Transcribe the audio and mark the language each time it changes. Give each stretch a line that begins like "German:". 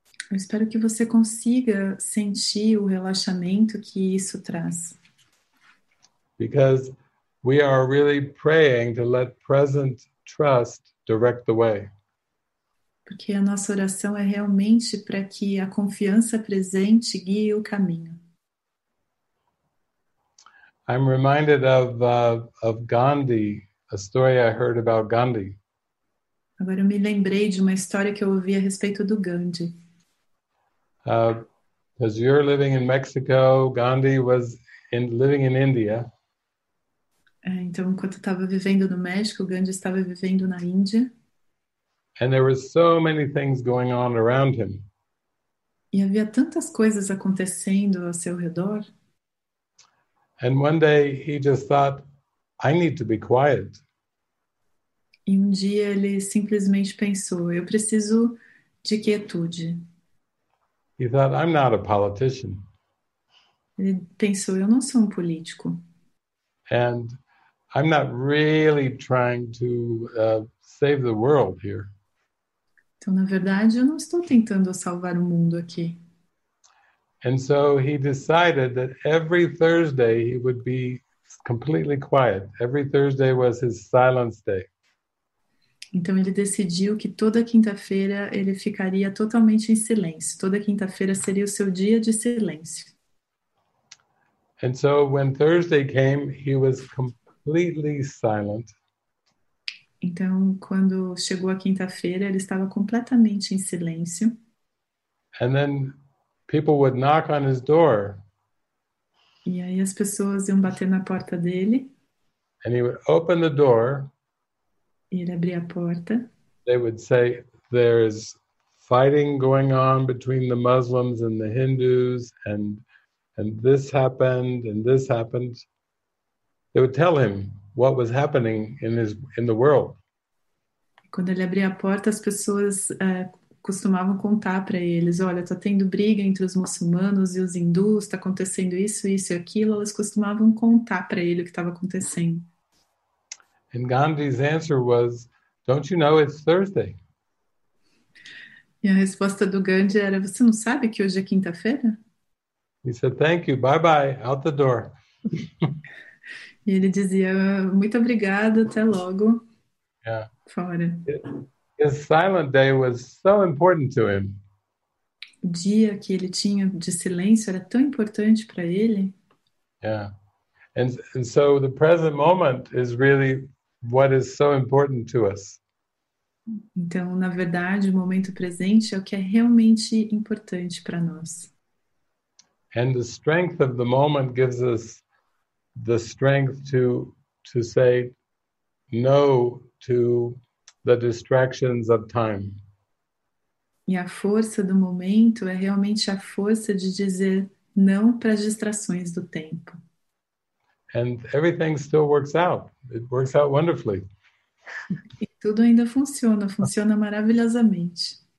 Portuguese: Eu espero que você consiga sentir o relaxamento que isso traz.
English: Because we are really praying to let present trust direct the way.
Portuguese: Porque a nossa oração é realmente para que a confiança presente guie o caminho.
English: I'm reminded of Gandhi, a story I heard about Gandhi.
Portuguese: Agora eu me lembrei de uma história que eu ouvi a respeito do Gandhi.
English: As you're living in Mexico, Gandhi was living in India.
Portuguese: Então, enquanto estava vivendo no México, Gandhi estava vivendo na Índia.
English: And there were so many things going on around him.
Portuguese: E havia tantas coisas acontecendo ao seu redor.
English: And one day he just thought, I need to be quiet.
Portuguese: E um dia ele simplesmente pensou, eu preciso de quietude.
English: He thought, I'm not a politician.
Portuguese: Ele pensou, eu não sou um político.
English: And I'm not really trying to save the world here.
Portuguese: Então, na verdade, eu não estou tentando salvar o mundo aqui.
English: And so he decided that every Thursday he would be completely quiet. Every Thursday was his silence day.
Portuguese: Então ele decidiu que toda quinta-feira ele ficaria totalmente em silêncio. Toda quinta-feira seria o seu dia de silêncio.
English: And so when Thursday came, he was completely silent.
Portuguese: Então, quando chegou a quinta-feira, ele estava completamente em silêncio.
English: And then people would knock on his door.
Portuguese: E aí as pessoas iam bater na porta dele.
English: And he would open the door.
Portuguese: E ele abria a porta.
English: They would say, there is fighting going on between the Muslims and the Hindus, and this happened, and this happened. They would tell him what was happening in the world.
Portuguese: Quando ele abria a porta, as pessoas costumavam contar para eles, olha, está tendo briga entre os muçulmanos e os hindus, está acontecendo isso, isso e aquilo. Elas costumavam contar para ele o que estava acontecendo.
English: And Gandhi's answer was, don't you know it's Thursday?
Portuguese: E a resposta do Gandhi era, você não sabe que hoje é quinta-feira?
English: He said, thank you, bye-bye, out the door.
Portuguese: E ele dizia, muito obrigado, até logo.
English: Yeah.
Portuguese: Fora.
English: His silent day was so important to him.
Portuguese: O dia que ele tinha de silêncio era tão importante para ele.
English: Yeah. And so the present moment is really what is so important to us.
Portuguese: Então, na verdade, o momento presente é o que é realmente importante para nós.
English: And the strength of the moment gives us the strength to say no to the distractions of time.
Portuguese: E a força do momento é realmente a força de dizer não para as distrações do tempo.
English: And everything still works out. It works out wonderfully.
Portuguese: E tudo ainda funciona, funciona maravilhosamente.